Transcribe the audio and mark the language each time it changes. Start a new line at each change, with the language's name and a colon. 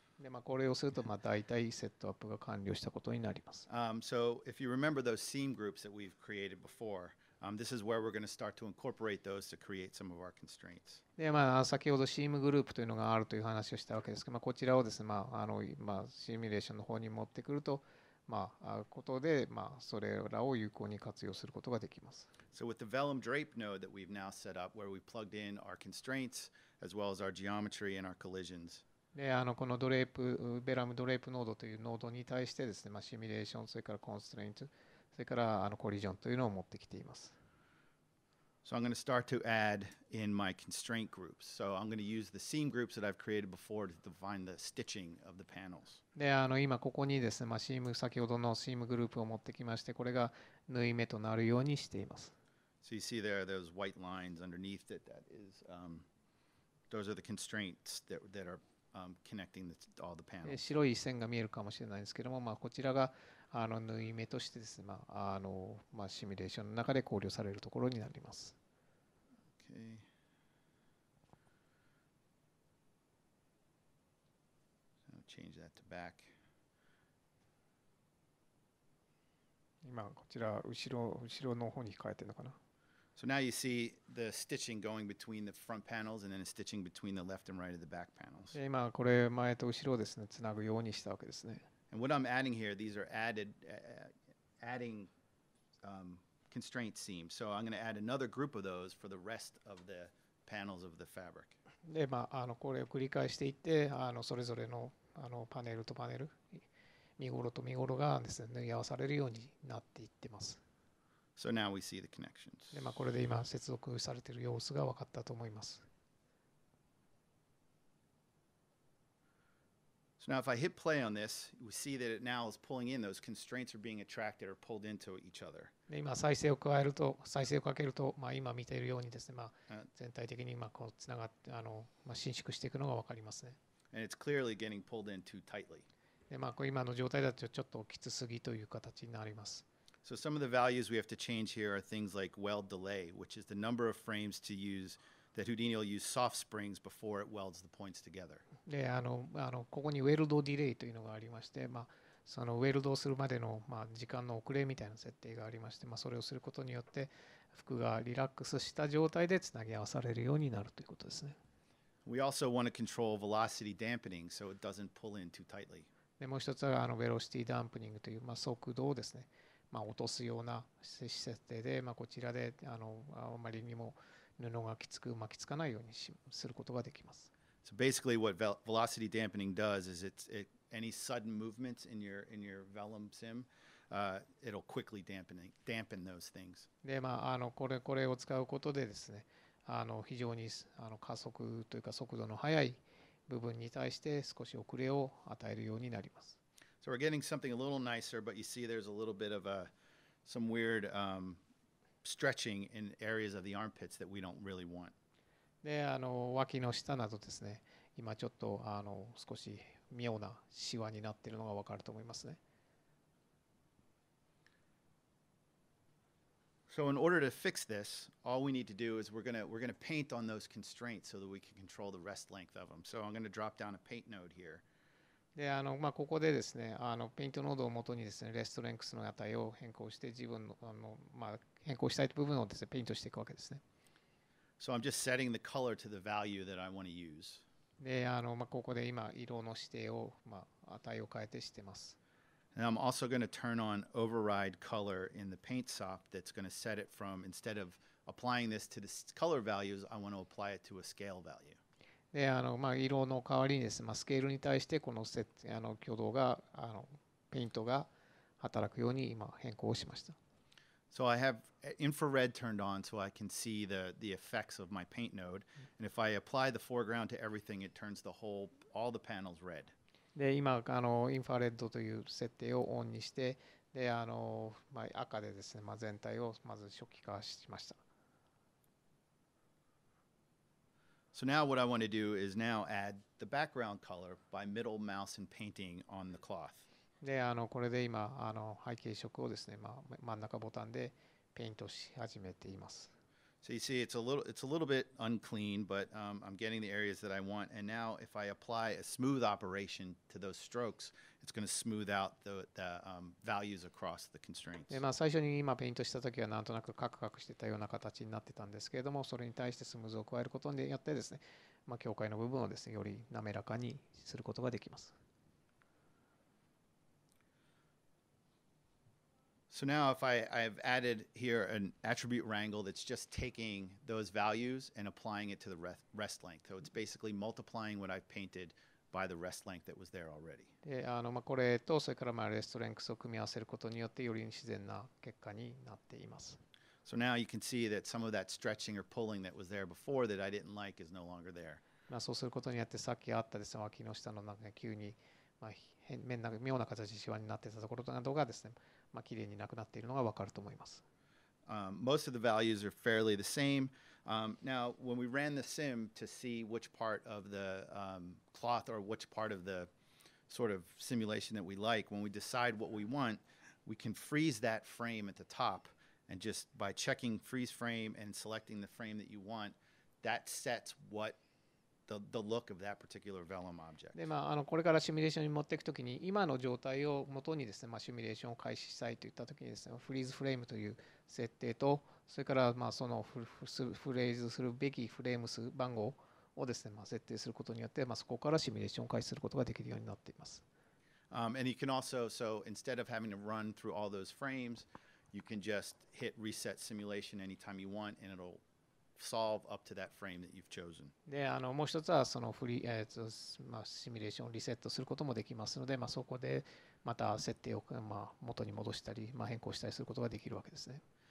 Japanese: でまあ、これをするとまあ大体セットアップが完了したことになります。
English: So if you remember those seam groups that we've created before, this is where we're going to start to incorporate those to create some of our constraints.
Japanese: で、まあ、先ほどシームグループというのがあるという話をしたわけですけど、まあ、こちらをですね、まああのまあ、シミュレーションの方に持ってくると、まあ、ことで、まあ、それらを有効に活用することができます。
English: So with the Vellum drape node that we've now set up, where we plugged in our constraints as well as our geometry and our collisions,
Japanese: であのこのドレープベラムドレープノードというノードに対してですね、まあ、シミュレーションそれからコンストレイントそれからあのコリジョンというのを持ってきています。
English: So I'm going to start to add in my constraint groups. So I'm going to use the seam groups that I've created before to define the stitching of the panels.
Japanese: であの今ここにですね、まあ、シーム先ほどのシームグループを持ってきましてこれが縫い目となるようにしています。
English: So you see there those white lines underneath it that is those are the constraints that are connecting all the panels.
Japanese: 白い線が見えるかもしれないんですけども、まあ、こちらがあの縫い目としてですね、まああのまあ、シミュレーションの中で考慮されるところになります。
English: Okay. So I'll change that to back.
Japanese: 今こちら後ろの方に変えてるのかな。
English: So now you see the stitching going between the front panels and then stitching between the left and right of the back panels.
Japanese: 今これ前と後ろですね、つなぐようにしたわけですね。
English: And what I'm adding here, these are added, adding constraint seams. So I'm going to add another group of those for the rest of the panels of the fabric.
Japanese: で、まあ、これを繰り返していって、それぞれの、パネルとパネル、見頃と見頃がですね、縫い合わされるようになっていってます。
English: So now we see the connections.
Japanese: で、まあ、これで今接続されている様子が分かったと思います。
English: So now if I hit play on this, we see that it now is pulling in those constraints are being attracted or pulled into each other.
Japanese: で、今再生を加えると、再生をかけると、まあ、今見ているようにですね、まあ、全体的に今こうつながって、まあ、伸縮していくのが分かりますね。
English: And it's clearly getting pulled in too tightly.
Japanese: で、まあ、こう今の状態だとちょっときつすぎという形になります。
English: So some of the values we have to change here are things like weld delay, which is the number of frames to use that Houdini will use soft springs before it welds the points together.
Japanese: で、ここにウェルドディレイというのがありまして、まあ、そのウェルドをするまでの、まあ、時間の遅れみたいな設定がありまして、まあ、それをすることによって服がリラックスした状態でつなぎ合わされるようになるということですね。
English: We also want to control velocity dampening so it doesn't pull in too tightly.
Japanese: で、もう一つはベロシティダンプニングという、まあ、速度をですね、まあ、落とすような設定で、まあ、こちらで あまりにも布がきつく巻きつかないようにすることができます。
English: So basically what velocity dampening does is any sudden movements in your vellum sim, it'll quickly dampen those things.
Japanese: で、まあ、これを使うことでですね、非常に加速というか速度の速い部分に対して少し遅れを与えるようになります。
English: So we're getting something a little nicer, but you see there's a little bit of some weird stretching in areas of the armpits that we don't really want.
Japanese: で、脇の下などですね、今ちょっと少し妙なシワになっているのが分かると思いますね。
English: So in order to fix this, all we need to do is we're gonna paint on those constraints so that we can control the rest length of them. So I'm gonna drop down a paint node here.
Japanese: で、まあ、ここでですね、ペイントノードをもとにですね、レストレンクスの値を変更して、自分の、まあ、変更したい部分をですね、ペイントしていくわけですね。
English: So I'm just setting the color to the value that I want to use.
Japanese: で、まあ、ここで今、色の指定を、まあ、値を変えてしてます。
English: And I'm also going to turn on override color in the paint sop that's going to set it from, instead of applying this to the color values, I want to apply it to a scale value.
Japanese: で、まあ、色の代わりにですね、まあ、スケールに対してこの挙動がペイントが働くように今変更しました。
English: So I have infrared turned on so I can see the effects of my paint node. And if I apply the foreground to everything, it turns all the panels red.
Japanese: で、今、インファレッドという設定をオンにして、で、まあ、赤でですね、まあ、全体をまず初期化しました。
English: So now what I want to do is now add the background color by middle mouse and painting on the cloth.
Japanese: で、これで今、背景色をですね、まあ、真ん中ボタンでペイントし始めています。
English: So you see it's a little bit unclean, but I'm getting the areas that I want. And now if I apply a smooth operation to those strokes, it's going to smooth out the values across the constraints.
Japanese: で、まあ、最初に今ペイントした時はなんとなくカクカクしてたような形になってたんですけれども、それに対してスムーズを加えることによってですね、まあ、境界の部分をですね、より滑らかにすることができます。
English: So now if I've added here an attribute wrangle that's just taking those values and applying it to the rest length. So it's basically multiplying what I've painted by the rest length that was there already.
Japanese: で、まあ、これとそれからまあレストレンクスを組み合わせることによってより自然な結果になっています。
English: So now you can see that some of that stretching or pulling that was there before that I didn't like is no longer there.
Japanese: まあそうすることによってさっきあったですね、脇の下のなんか急に、まあ、妙な形でシワになってたところなどがですね、まあ、きれいになくなっているのが分かると思います。
English: Most of the values are fairly the same. Now, when we ran the sim to see which part of the cloth or which part of the sort of simulation that we like, when we decide what we want, we can freeze that frame at the top. And just by checking freeze frame and selecting the frame that you want, that sets what... the look of that particular vellum object.
Japanese: で、まあ、これからシミュレーションに持っていくときに、今の状態をもとにですね、まあ、シミュレーションを開始したいといったときにですね、フリーズフレームという設定と、それから、まあ、そのフレーズするべきフレーム数番号をですね、まあ、設定することによって、まあ、そこからシミュレーションを開始することができるようになっています。
English: And you can also, so instead of having to run through all those frames, you can just hit reset simulation anytime you want, and it'll solve up to that frame that you've chosen.
Japanese: で、あの、もう一つはそのフリー、シミュレーションリセットすることもできますので、まあ、そこでまた設定を、まあ、元に戻したり、まあ、変更したりすることができるわけですね。